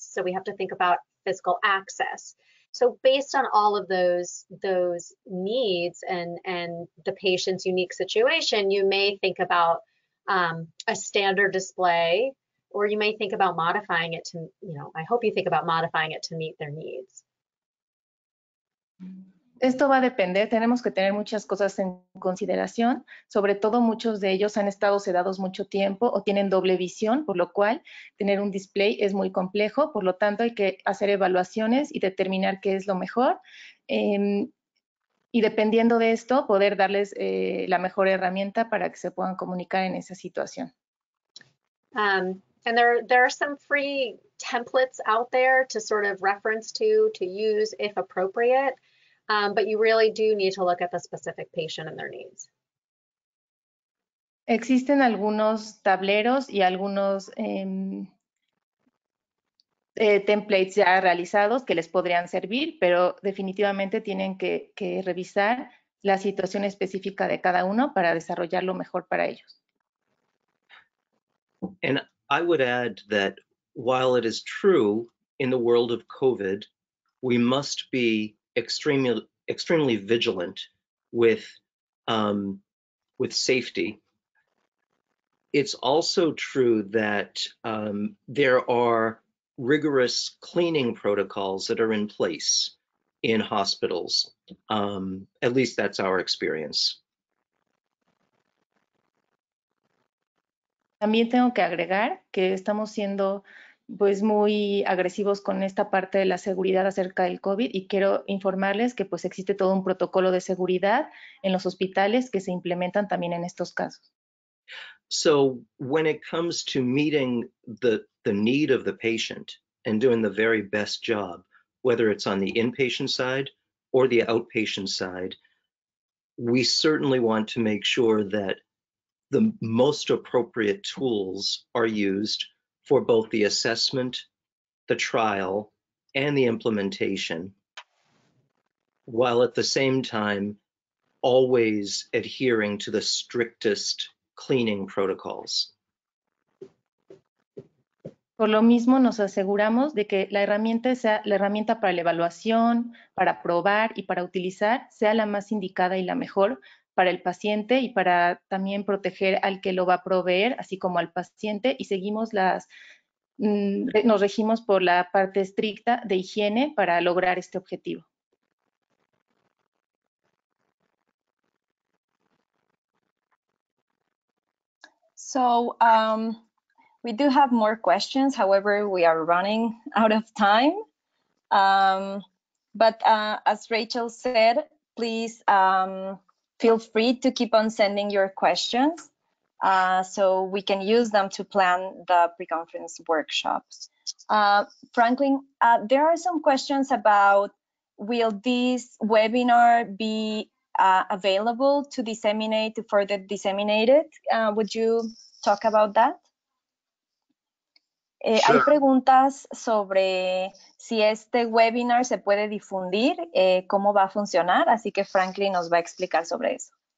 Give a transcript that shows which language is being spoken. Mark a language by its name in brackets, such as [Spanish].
[English] So we have to think about physical access. So based on all of those needs and the patient's unique situation, you may think about a standard display, or you may think about modifying it to, you know, I hope you think about modifying it to meet their needs. [Spanish] Esto va a depender, tenemos que tener muchas cosas en consideración, sobre todo muchos de ellos han estado sedados mucho tiempo o tienen doble visión, por lo cual tener un display es muy complejo, por lo tanto hay que hacer evaluaciones y determinar qué es lo mejor y dependiendo de esto poder darles la mejor herramienta para que se puedan comunicar en esa situación. [English] And there are some free templates out there to sort of reference to use if appropriate. But you really do need to look at the specific patient and their needs. [Spanish] Existen algunos tableros y algunos templates ya realizados que les podrían servir, pero definitivamente tienen que revisar la situación específica de cada uno para desarrollarlo mejor para ellos. [English] And I would add that while it is true in the world of COVID, we must be extremely vigilant with safety. It's also true that there are rigorous cleaning protocols that are in place in hospitals. At least that's our experience. [Spanish] También tengo que agregar que estamos siendo pues muy agresivos con esta parte de la seguridad acerca del COVID y quiero informarles que pues existe todo un protocolo de seguridad en los hospitales que se implementan también en estos casos. [English] So when it comes to meeting the need of the patient and doing the very best job, whether it's on the inpatient side or the outpatient side, we certainly want to make sure that the most appropriate tools are used for both the assessment, the trial, and the implementation, while at the same time always adhering to the strictest cleaning protocols. [Spanish] Por lo mismo, nos aseguramos de que la herramienta sea la herramienta para la evaluación, para probar y para utilizar, sea la más indicada y la mejor para el paciente y para también proteger al que lo va a proveer, así como al paciente, y seguimos las, nos regimos por la parte estricta de higiene para lograr este objetivo. [English] So, we do have more questions, however, we are running out of time. But as Rachel said, please feel free to keep on sending your questions so we can use them to plan the pre-conference workshops. Franklin, there are some questions about, will this webinar be available to disseminate, to further disseminate it? Would you talk about that? Sure. [Spanish] Hay preguntas sobre si este webinar se puede difundir, cómo va a funcionar, así que Franklin nos va a explicar sobre eso.